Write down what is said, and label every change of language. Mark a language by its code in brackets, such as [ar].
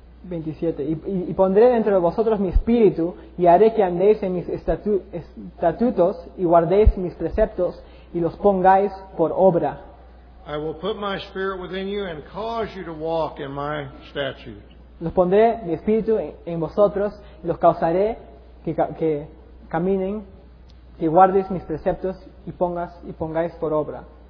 [es] Y pondré dentro de vosotros mi espíritu, y haré que andéis en mis estatutos y guardéis mis preceptos y los pongáis por obra. [en] I will put my spirit within you and cause you to walk in my statutes. [es] Los pondré mi espíritu en vosotros y los causaré que caminen y guardéis mis preceptos y los pongáis por obra.